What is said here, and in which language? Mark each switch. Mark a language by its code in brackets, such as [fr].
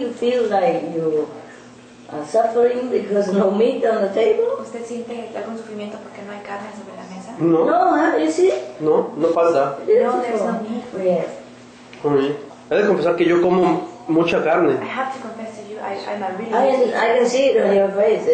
[en] You feel like you are suffering because no meat on the table? [es] ¿Usted siente algún sufrimiento porque no hay carne sobre la mesa? [en] No. [es] No, ¿eh? ¿Sí? No, no pasa. [en] No, there's no meat. Yes. Okay. [es] He de confesar que yo como mucha carne. [en] I have to confess to you, I'm a really good eater. I can see it on your face.